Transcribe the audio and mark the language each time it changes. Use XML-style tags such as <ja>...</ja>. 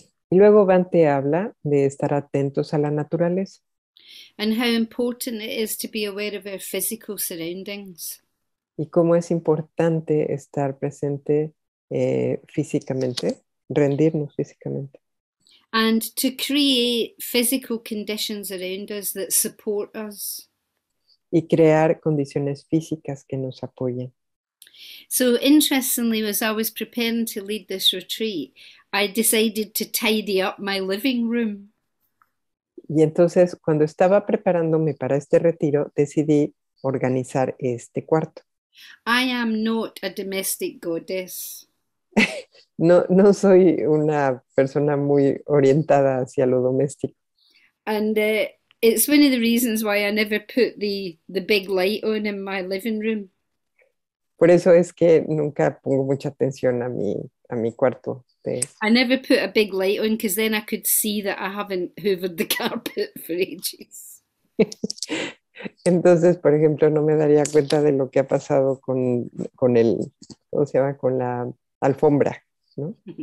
<es>Y luego Bhante habla de estar atentos a la naturaleza.</es> <en>And how important it is to be aware of our physical surroundings.</en> <es>Y cómo es importante estar presente físicamente, rendirnos físicamente.</es> <en>And to create physical conditions around us that support us.</en> <es>Y crear condiciones físicas que nos apoyen.</es> <en>So, interestingly, as I was preparing to lead this retreat, I decided to tidy up my living room.</en> <es>Y entonces, cuando estaba preparándome para este retiro, decidí organizar este cuarto.</es> <en>I am not a domestic goddess.</en> <es>No, no soy una persona muy orientada hacia lo doméstico.</es> <en>And it's one of the reasons why I never put the big light on in my living room.</en> <es>Por eso es que nunca pongo mucha atención a mi cuarto de.</es> <en>I never put a big light on because then I could see that I haven't hoovered the carpet for ages.</en> <es>Entonces, por ejemplo, no me daría cuenta de lo que ha pasado con el, o sea, con la alfombra, ¿no?</es>